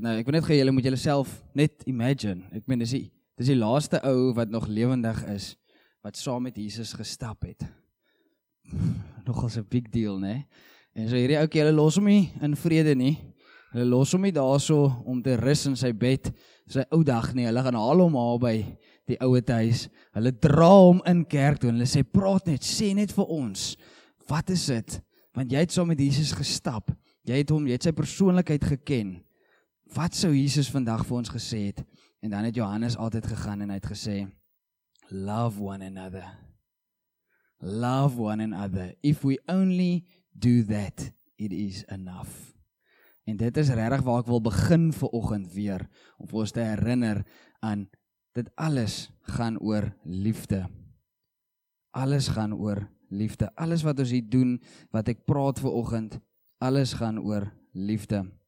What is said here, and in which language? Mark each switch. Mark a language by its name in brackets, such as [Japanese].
[Afrikaans] Nou, ek wil net gee, julle moet julle self net imagine, ek meen, dis die laaste ou wat nog lewendig is, wat saam met Jesus gestap het. Nogals 'n big deal, ne? En so hierdie oukie, hulle los hom nie in vrede nie. Hulle los hom nie daar so om te rus in sy bed, sy ou dag nie. Hulle gaan haal hom haal by die ouwe thuis. Hulle dra hom in kerk toe en hulle sê, praat net, sê net vir ons. Wat is dit? Want jy het so met Jesus gestap. Jy het sy persoonlikheid geken. Wat sou Jesus vandag vir ons gesê het? En dan het Johannes altyd gegaan en hy het gesê, [English] love one another. Love one another. If we only do that, it is enough. [Afrikaans] En dit is regtig waar ek wil begin vir oggend weer, om ons te herinner aan, dit alles gaan oor liefde. alles gaan oor liefde. Alles wat ons hier doen, wat ek praat vir oggend, alles gaan oor liefde.